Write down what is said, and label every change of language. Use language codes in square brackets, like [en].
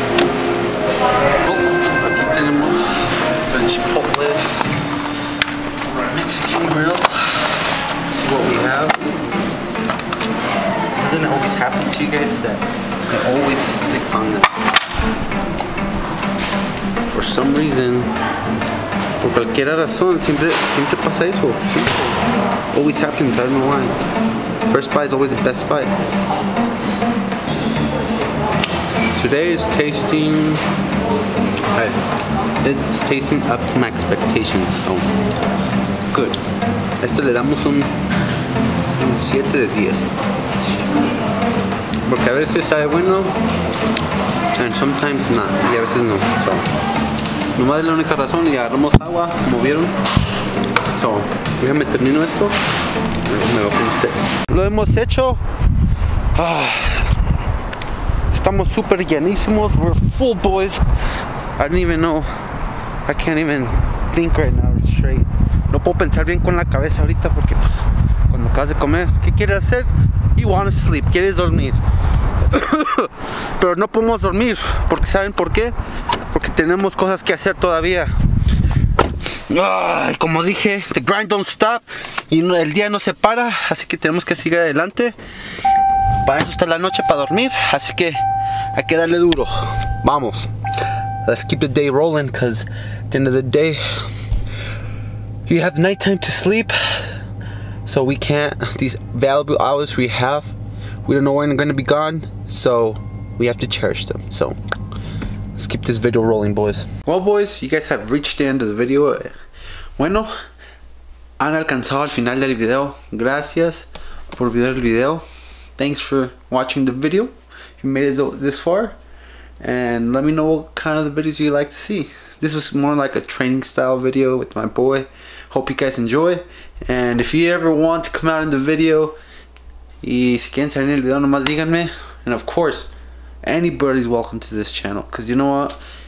[es] 10:25. Aquí tenemos el chipotle, Mexican grill. [en] What we have. Doesn't it always happen to you guys that it always sticks on the top? For some reason, [es] por cualquier razón, siempre pasa eso. [en] Always happens, I don't know why. First bite is always the best bite. Today is tasting. It's tasting up to my expectations. Oh, good. [es] Esto le damos un 7 de 10. Porque a veces sabe bueno, [en] and sometimes not, [es] y a veces no. So, nomás es la única razón, y agarramos agua, como vieron. So, déjame termino esto, y me voy con ustedes. Lo hemos hecho. Estamos super llenísimos, [en] we're full boys. I don't even know, I can't even think right now, straight. [es] No puedo pensar bien con la cabeza ahorita porque pues, cuando acabas de comer, ¿qué quieres hacer? [en] You wanna sleep, [es] quieres dormir. Pero no podemos dormir, porque ¿saben por qué? Porque tenemos cosas que hacer todavía. Ay, como dije, [en] the grind don't stop, [es] y el día no se para, así que tenemos que seguir adelante. Para eso está la noche, para dormir, así que hay que darle duro. Vamos. [en] Let's keep the day rolling, because at the end of the day, you have nighttime to sleep. So we can't, these valuable hours we have, we don't know when they're gonna be gone, so we have to cherish them. So let's keep this video rolling, boys. Well, boys, you guys have reached the end of the video. [es] Bueno, han alcanzado al final del video. Gracias por ver el video. [en] Thanks for watching the video. You made it this far. And let me know what kind of the videos you like to see. This was more like a training style video with my boy. Hope you guys enjoy. And if you ever want to come out in the video, [es] y si quieren salir en el video, nomás díganme. [en] And of course, anybody's welcome to this channel. Because you know what?